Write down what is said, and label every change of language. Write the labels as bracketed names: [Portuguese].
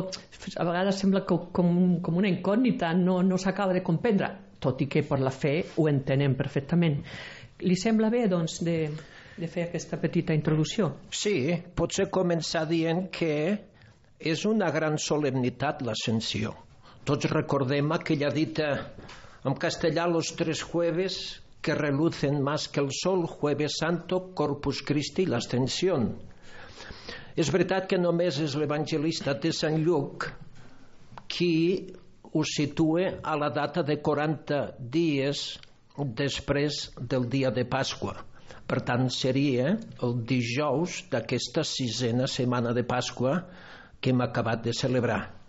[Catalan] A vegades sembla com una incògnita, no s'acaba de comprendre, tot i que per la fe ho entenem perfectament. Li sembla bé, doncs, de fer aquesta petita introducció? Sí, potser començar dient que és una gran solemnitat l'Ascensió. Tots recordem aquella dita en castellà: [Spanish] «Los tres jueves que relucen más que el sol, Jueves Santo, Corpus Christi y la Ascensión». [Catalan] És veritat que només és l'evangelista de Sant Lluc qui ho situa a la data de 40 dies després del dia de Pasqua. Per tant, seria el dijous d'aquesta sisena setmana de Pasqua que hem acabat de celebrar.